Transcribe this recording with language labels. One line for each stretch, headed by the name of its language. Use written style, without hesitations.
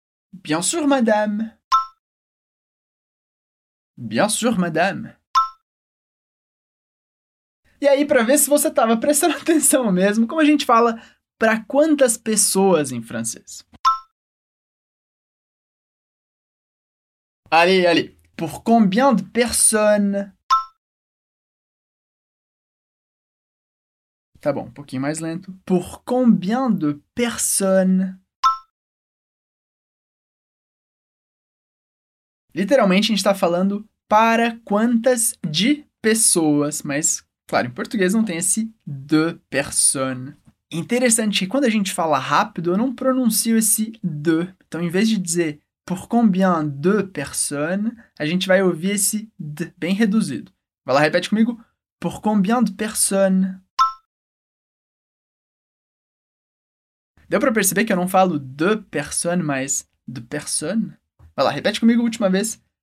French: Bien sûr, madame. Bien sûr, madame.
Portuguese: E aí, para ver se você estava prestando atenção mesmo, como a gente fala para quantas pessoas em francês?
French: Allez, allez. Pour combien de personnes?
Portuguese: Tá bom, um pouquinho mais lento.
French: Pour combien de personnes?
Portuguese: Literalmente, a gente está falando para quantas de pessoas, mas, claro, em português não tem esse
French: de personnes.
Portuguese: Interessante que quando a gente fala rápido, eu não pronuncio esse de. Então, em vez de dizer
French: Pour combien de personnes,
Portuguese: a gente vai ouvir esse de bem reduzido. Vai lá, repete comigo.
French: Pour combien de personnes?
Portuguese: Deu para perceber que eu não falo
French: de personnes,
Portuguese: mas de personnes? Vai lá, repete comigo a última vez.